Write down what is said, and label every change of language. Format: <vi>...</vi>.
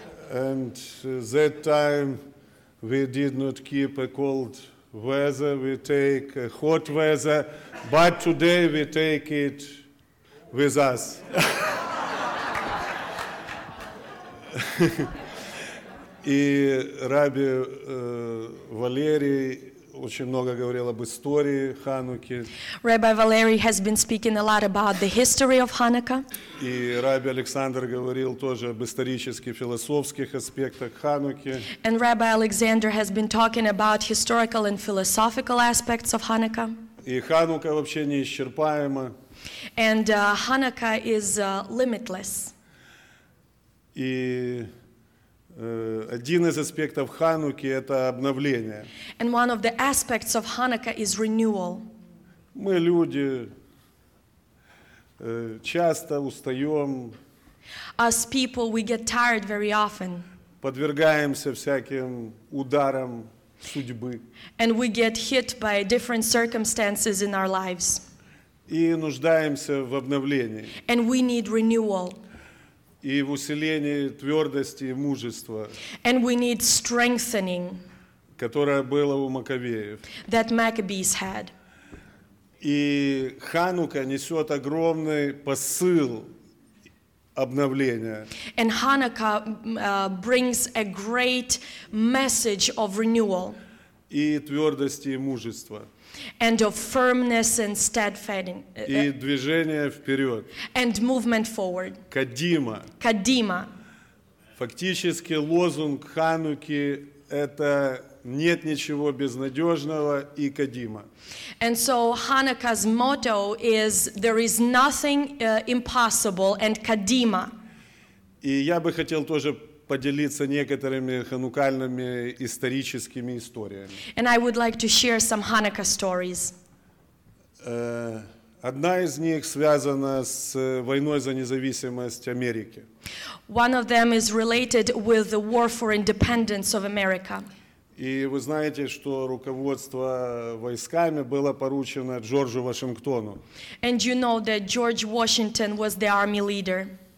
<en>And that time we did not keep a cold weather, we take a hot weather, but today we take it with us.</en> <ru>И Раби Валерий очень много говорил об истории Хануки.</ru> <en>Rabbi Valeri has been speaking a lot about the history of Hanukkah.</en> <ru>И Раби Александр говорил тоже об исторических, философских аспектах Хануки.</ru> <en>And Rabbi Alexander has been talking about historical and philosophical aspects of Hanukkah.</en> <ru>И Ханука вообще неисчерпаема.</ru> <en>And Hanukkah is limitless.</en> <ru>И один из аспектов Хануки — это обновление.</ru> <en>And one of the aspects of Hanukkah is renewal.</en> <ru>Мы люди часто устаем.</ru> <en>As people, we get tired very often.</en> <ru>Подвергаемся всяким ударам судьбы.</ru> <en>And we get hit by different circumstances in our lives.</en> <ru>И нуждаемся в обновлении.</ru> <en>And we need renewal.</en> <ru>И в усилении твердости и мужества,</ru> <en>and we need strengthening,</en> <ru>которое было у Маккавеев.</ru> <en>That Maccabees had.</en> <ru>И Ханука несет огромный посыл обновления.</ru> <en>And Hanukkah brings a great message of renewal.</en> <ru>И твердости и мужества.</ru> <en>And of firmness and steadfastness.</en> <ru>И движение вперед.</ru> <en>And movement forward.</en> <he>Кадима. Кадима.</he> <ru>Фактически лозунг Хануки — это нет ничего безнадежного и кадима.</ru> <en>And so Hanukkah's motto is there is nothing impossible and кадима.</en> <ru>И я бы хотел тоже поделиться некоторыми ханукальными историческими историями.</ru> <en>And I would like to share some Hanukkah stories.</en> <ru>Одна из них связана с войной за независимость Америки.</ru> <en>One of them is related with the war for independence of America.</en> <ru>И вы знаете, что руководство войсками было поручено Джорджу Вашингтону.</ru> <en>And you know that George Washington was the army leader.</en>